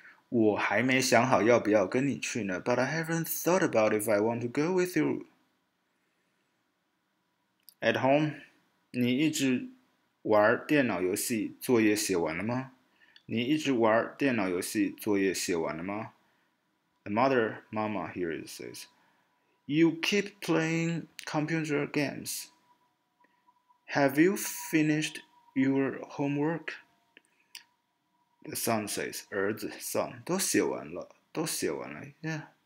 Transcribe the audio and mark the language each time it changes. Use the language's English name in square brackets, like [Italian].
[Chinese] 我还没想好要不要跟你去呢。 [English] But I haven't thought about if I want to go with you. At home, [Chinese] 你一直玩电脑游戏作业写完了吗？你一直玩电脑游戏作业写完了吗？ [English] The mother, mama here says, You keep playing computer games. Have you finished? Your homework? The son says, 儿子 son, [Chinese] 都写完了都写完了 [English] yeah.